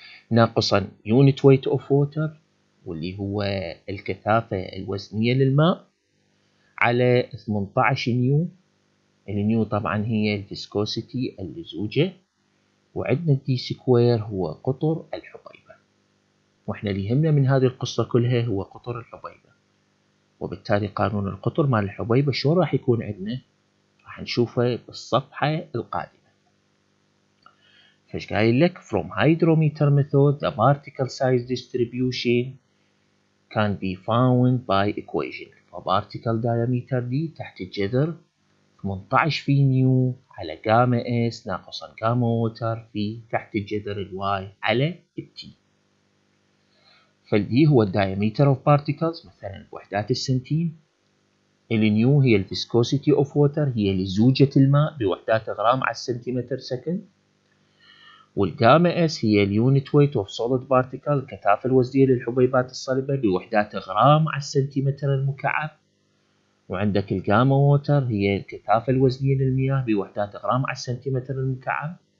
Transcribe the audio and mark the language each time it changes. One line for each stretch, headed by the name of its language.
Arabic: ناقصا
English: unit weight of water
Arabic: واللي هو الكثافة الوزنية للماء، على 18 نيو، النيو طبعا هي الفيسكوسيتي اللزوجة، وعندنا دي سكوير هو قطر الحبيبة، واحنا اللي يهمنا من هذه القصة كلها هو قطر الحبيبة، وبالتالي قانون القطر مال الحبيبة شو راح يكون عندنا؟ راح نشوفه بالصفحة القادمة. فش قايل لك؟
English: From hydrometer method the particle size distribution can be found by equation. فبارتيكل diameter دي
Arabic: تحت الجذر 18 في نيو على جاما اس ناقصا جاما ووتر في تحت الجذر الواي على التي. فالدي هو
English: الدايامتر of particles
Arabic: مثلا وحدات السنتيم، النيو هي
English: الفيسكوسيتي of water
Arabic: هي لزوجة الماء بوحدات غرام على السنتيمتر سكند، والجاما اس هي
English: اليونت weight of solid particle
Arabic: كثافة الوزنية للحبيبات الصلبة بوحدات غرام على السنتيمتر المكعب، وعندك الجاما ووتر هي الكثافة الوزنية للمياه بوحدات غرام على السنتيمتر المكعب.